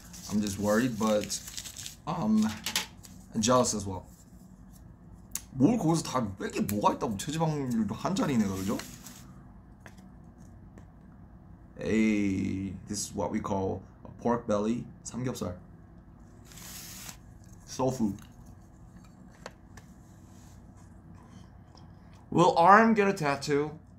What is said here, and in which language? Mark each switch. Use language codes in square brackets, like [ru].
[en] I'm just worried, but I'm jealous as well. [ko] 뭘 거기서 다 뺄게 뭐가 있다고 체지방률도 한 잔이네 그죠? [en] Hey, this is what we call a pork belly 삼겹살. Soul food. Will arm get a tattoo?